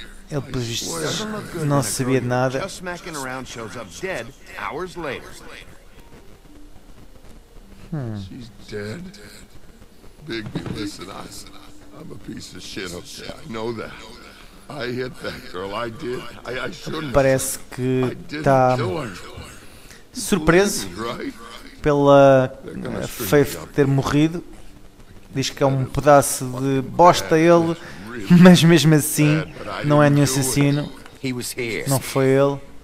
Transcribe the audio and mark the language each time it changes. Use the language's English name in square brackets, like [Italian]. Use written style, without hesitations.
[Portuguese] Ele pelo visto não sabia de nada. [English] Just smacking around shows up dead hours later. She's dead. Bigby, listen, I'm a piece of shit, okay? I know that. I hit that girl, I did. I shouldn't. [Portuguese] Parece que tá surpreso pela Faith ter morrido. Diz que é um pedaço de bosta ele, mas mesmo assim não é nenhum assassino. Não foi ele.